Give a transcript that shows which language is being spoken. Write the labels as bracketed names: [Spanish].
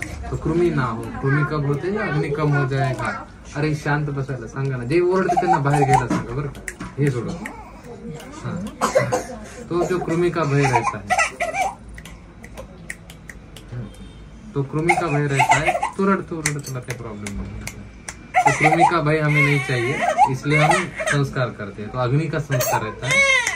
[Hindi] तो कृमि ना हो, कृमि कब होते हैं, अग्नि कम हो जाएगा। [Marathi] अरे शांत बसायला सांगा ना, जे ओरडते त्यांना बाहेर घ्यायला सांगा, बरं का, हे सोडव। [Hindi] हां, तो जो कृमि का भय रहता है, तो कृमि का भय रहता है, तुरंत तुरंत लगते प्रॉब्लम नहीं है। तो कृमि का भय हमें नहीं चाहिए, इसलिए हम संस्कार करते हैं। तो अग्नि का संस्कार रहता है।